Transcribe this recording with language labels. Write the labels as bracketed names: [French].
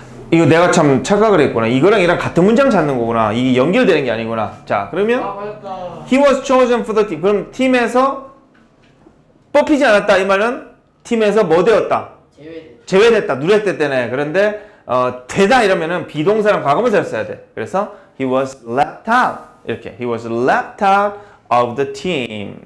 [Korean] 이거 내가 참 착각을 했구나. 이거랑 이랑 같은 문장 찾는 거구나. 이게 연결되는 게 아니구나. 자, 그러면 [English] He was chosen for the team. [Korean] 그럼 팀에서 뽑히지 않았다. 이 말은 팀에서 뭐 되었다? 제외됐다. 누락됐다네. 그런데 되다 이러면은 비동사랑 과거문사를 써야 돼. 그래서 [English] He was left out. [Korean] 이렇게 [English] He was left out of the team.